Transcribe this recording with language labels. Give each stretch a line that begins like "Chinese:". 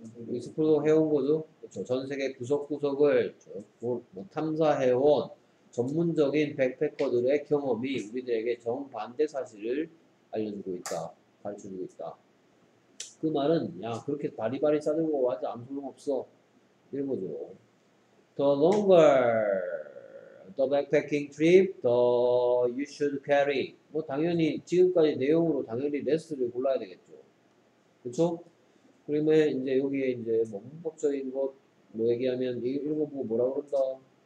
Korean: 익스플로 해온 거죠. 그렇죠. 전 세계 구석구석을 탐사해온 전문적인 백패커들의 경험이 우리들에게 정반대 사실을 알려주고 있다. 가르쳐주고 있다. 그 말은 야 그렇게 바리바리 싸들고 와도 아무 소용없어 이런 거죠.
English: The longer the backpacking trip, the you should carry.
Korean: 뭐 당연히 지금까지 내용으로 당연히 레스를 골라야 되겠죠. 그렇죠? 그러면 이제 여기에 이제 뭐 문법적인 것 뭐 얘기하면 이런 거 보고 뭐라 그런다.